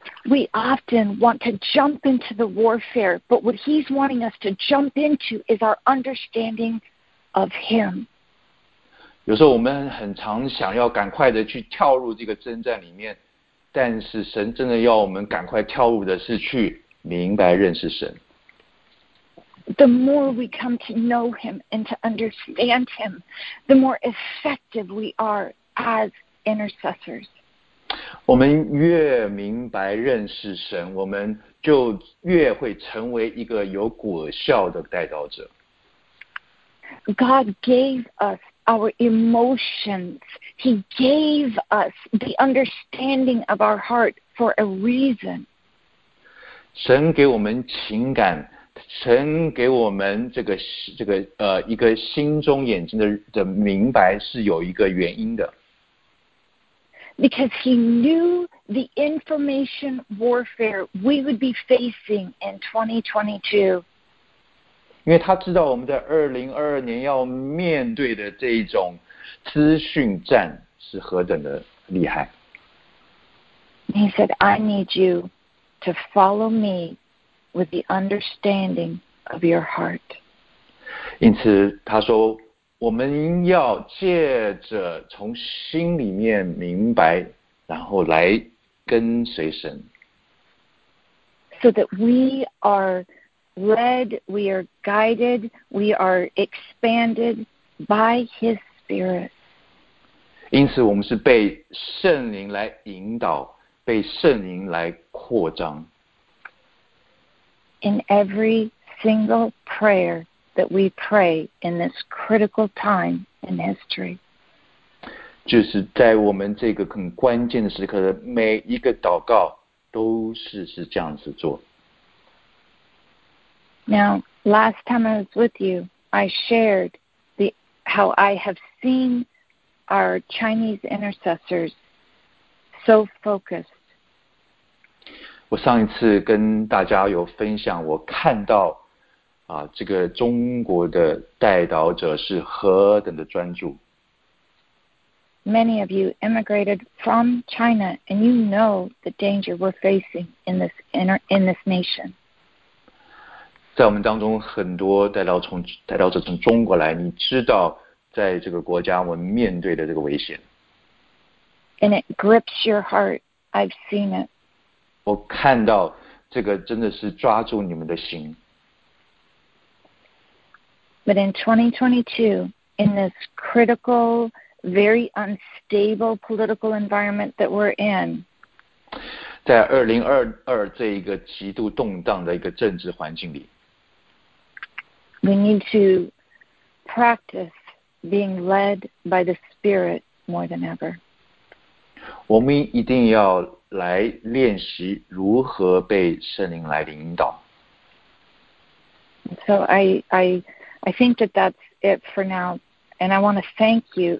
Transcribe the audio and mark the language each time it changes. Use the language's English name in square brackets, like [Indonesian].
[English] We often want to jump into the warfare, but what he's wanting us to jump into is our understanding of him. [Chinese] 有时候我们很常想要赶快的去跳入这个征战里面，但是神真的要我们赶快跳入的是去明白认识神。 [English] The more we come to know him and to understand him, the more effective we are as intercessors. [Chinese] 我们越明白认识神，我们就越会成为一个有果效的代祷者。 [English] God gave us our emotions. He gave us the understanding of our heart for a reason. [Chinese] 神给我们情感，神给我们这个一个心中眼睛的明白是有一个原因的。 [English] Because he knew the information warfare we would be facing in 2022. [Chinese] 因为他知道我们在2022年要面对的这一种资讯战是何等的厉害。 [English] He said, I need you to follow me with the understanding of your heart. [Chinese] 因此他说我们要借着从心里面明白，然后来跟随神。 [English] So that we are led, we are guided, we are expanded by His Spirit. [Chinese] 因此，我们是被圣灵来引导，被圣灵来扩张。 [English] In every single prayer. That we pray in this critical time in history. [Chinese] 就是在我们这个很关键的时刻，每一个祷告都是这样子做。 [English] Now, last time I was with you, I shared how I have seen our Chinese intercessors so focused. [Chinese] 我上一次跟大家有分享，我看到。这个中国的代祷者是何等的专注。 [English] Many of you immigrated from China, and you know the danger we're facing in this nation. [Chinese] 在我们当中，很多代祷者从中国来，你知道，在这个国家我们面对的这个危险。 [English] And it grips your heart. I've seen it. [Chinese] 我看到这个真的是抓住你们的心。 [English] But in 2022, in this critical, very unstable political environment that we're in, [Chinese] 在2022这一个极度动荡的一个政治环境里， [English] we need to practice being led by the Spirit more than ever. [Chinese] 我们一定要来练习如何被圣灵来领导。 [English] So I think that that's it for now, and I want to thank you.